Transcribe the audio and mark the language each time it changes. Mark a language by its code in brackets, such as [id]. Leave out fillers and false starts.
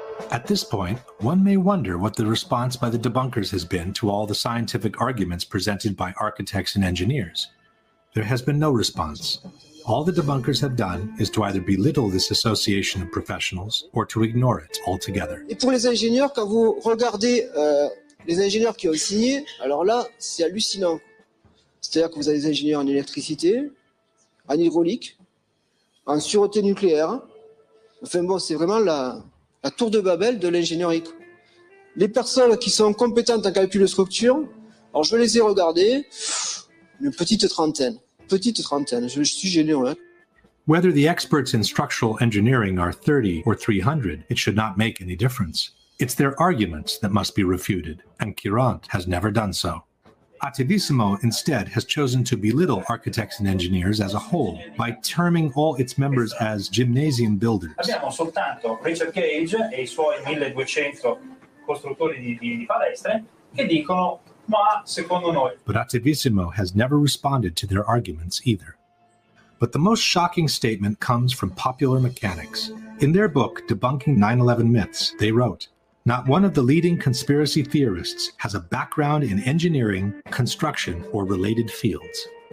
[en] At this point, one may wonder what the response by the debunkers has been to all the scientific arguments presented by architects and engineers. There has been no response. All the debunkers have done is to either belittle this association of professionals or to ignore it altogether. [fr] Et pour les ingénieurs, quand vous regardez les ingénieurs qui ont signé, alors là, c'est hallucinant. C'est-à-dire que vous avez des ingénieurs en électricité, en hydraulique, en sûreté nucléaire. Enfin bon, c'est vraiment la tour de Babel de l'ingénierie. Les personnes qui sont compétentes en calcul de structure, alors je les ai regardées, une petite trentaine, je suis généreux. [en] Whether the experts in structural engineering are 30 or 300, it should not make any difference. It's their arguments that must be refuted, and Curant has never done so. Atidissimo instead has chosen to belittle architects and engineers as a whole by terming all its members as gymnasium builders. [it] Abbiamo soltanto Richard Gage e i suoi 1200 costruttori di palestre che dicono ma secondo noi. [en] But Atidissimo has never responded to their arguments either. But the most shocking statement comes from Popular Mechanics. In their book Debunking 9/11 Myths, they wrote, "Not one of the leading conspiracy theorists has a background in engineering, construction, or related fields."